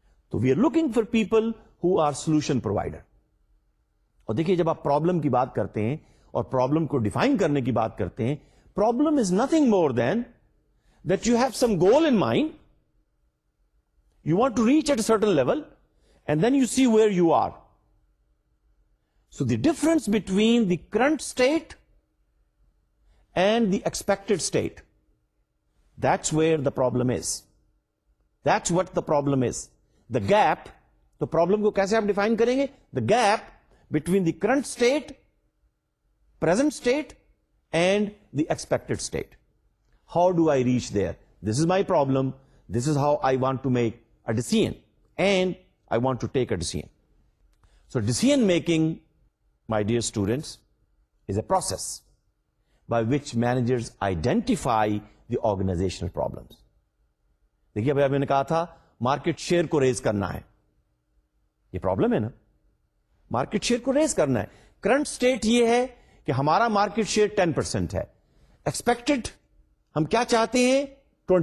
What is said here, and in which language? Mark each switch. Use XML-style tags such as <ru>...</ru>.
<en>تو we are looking for people who are solution provider.</en> <ur>اور دیکھیے جب آپ پرابلم کی بات کرتے ہیں</ur> <en>اور پرابلم کو ڈیفائن کرنے کی بات کرتے ہیں, problem is nothing more than that you have some goal in mind, you want to reach at a certain level and then you see where you are. So the difference between the current state and the expected state, that's where the problem is, that's what the problem is, the gap.</en> <ur>تو problem کو کیسے آپ define کریں گے؟</ur> <en>The gap between the current state, present state and the expected state. How do I reach there? This is my problem, this is how I want to make a decision and I want to take a decision. So decision making my dear students is a process by which managers identify the organizational problems.</en> <ur>دیکھیے ابھی میں نے کہا تھا market share کو raise کرنا ہے, یہ پرابلم ہے نا, مارکیٹ شیئر کو ریز کرنا ہے. کرنٹ اسٹیٹ یہ ہے کہ ہمارا مارکیٹ شیئر 10% ہے, ایکسپیکٹڈ ہم کیا چاہتے ہیں 20%.</ur>